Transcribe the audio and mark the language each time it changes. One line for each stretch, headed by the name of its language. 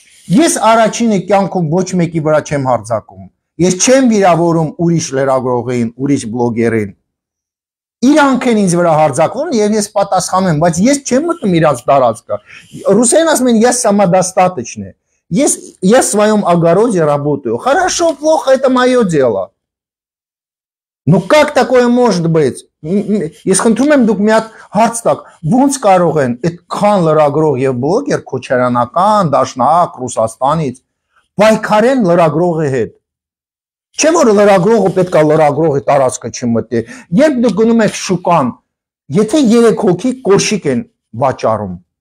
Armenian: Ես առաջինը կյանքում ոչ մեկի վրա չեմ հարձակում։ Ես չեմ վիրավորում ուրիշ լրագրողին, ուրիշ բլոգերին։ Իրանք են ինձ վրա հարձակվում եւ ես պատասխանում եմ, բայց ես չեմ մտնում իրաց տարածքը։ Ռուսերն ասում են, ես самодостаточный։ Ես
Russian: своём огороде работаю. Хорошо, плохо это моё дело. Ну как такое может быть?
Armenian: Ես խնդրում եմ դուք մի հատ հարց տաք, ո՞նց կարող են այդքան լրագրող եւ բլոգեր քոչարանական դաշնակ Ռուսաստանից պայքարեն լրագրողի հետ։ Չէ՞ որ լրագրողը պետք է լրագրողի տարածքը չմտի։ Երբ դու գնում ես շուկան, եթե 3 հոգի կոշիկ են վաճառում,